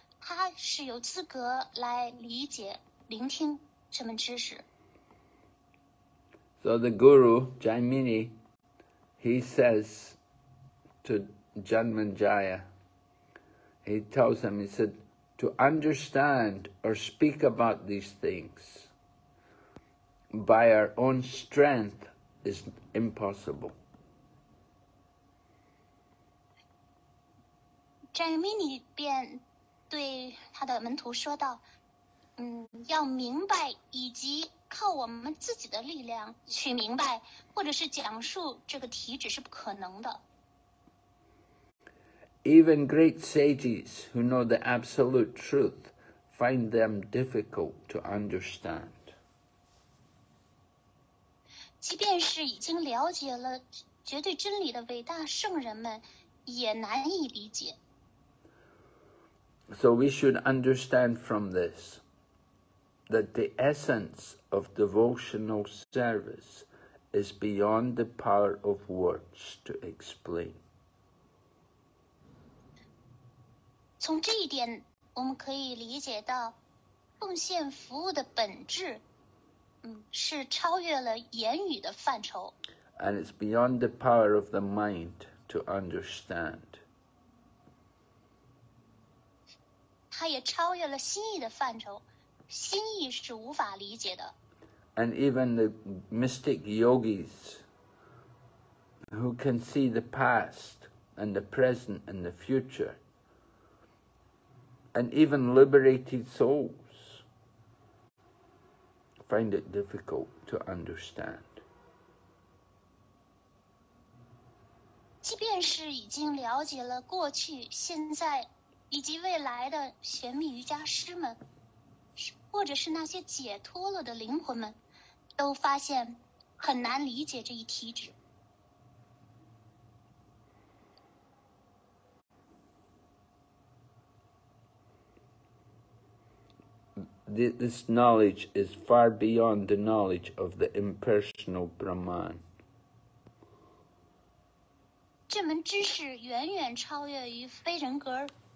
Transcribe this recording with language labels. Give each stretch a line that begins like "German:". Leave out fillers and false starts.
Chinese: 他是有资格来理解、聆听这门知识。
English: So the guru Jaimini, he says to Janmanjaya, he tells him, he said, to understand or speak about these things by our own strength is impossible.
Chinese: Jaimini 便对他的门徒说道，要明白以及靠我们自己的力量去明白或者是讲述这个题旨是不可能的。
English: Even great sages who know the absolute truth find them difficult to understand.
Chinese: 即便是已经了解了绝对真理的伟大圣人们，也难以理解。
English: So we should understand from this that the essence of devotional service is beyond the power of words to explain.
Chinese: 从这一点，我们可以理解到，奉献服务的本质，是超越了言语的范畴。
English: And it's beyond the power of the mind to understand.
Chinese: 它也超越了心意的范畴，心意是无法理解的。
English: And even the mystic yogis who can see the past and the present and the future, and even liberated souls find it difficult to understand.
Chinese: 即便是已经了解了过去、现在。以及未来的玄秘瑜伽师们，或者是那些解脱了的灵魂们，都发现很难理解这一体旨。
English: This knowledge is far beyond the knowledge of the impersonal Brahman.
Chinese: 这门知识远远超越于非人格。